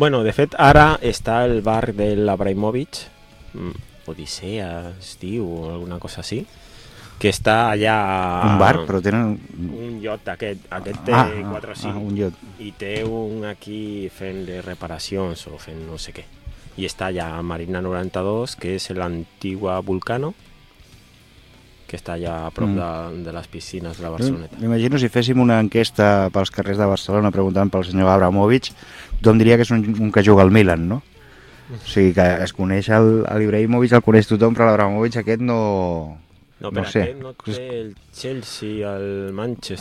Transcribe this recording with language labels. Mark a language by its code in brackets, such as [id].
[ca] Bueno, de fet, ara està el bar de l'Abraimovic, Odissea, es diu, o alguna cosa així, que està allà... Un bar, però tenen... Un iot aquest. Aquest té 4 o 5. Un iot. I té un aquí fent de reparacions o fent no sé què. [es] Y está ya Marina 92, que es el antiguo Vulcano, que está ya [ca] a prop de [es] las piscinas de la Barceloneta. Me imagino [ca] si féssim una enquesta pels carrers de Barcelona preguntant pel senyor Abramovic, d'on diria que és un que juga al Milan, no? O sigui, que es coneix l'Ibrahimovic, el coneix tothom, però l'Abramovic aquest no... No, però no sé. Aquest no té el Chelsea, el Manchester...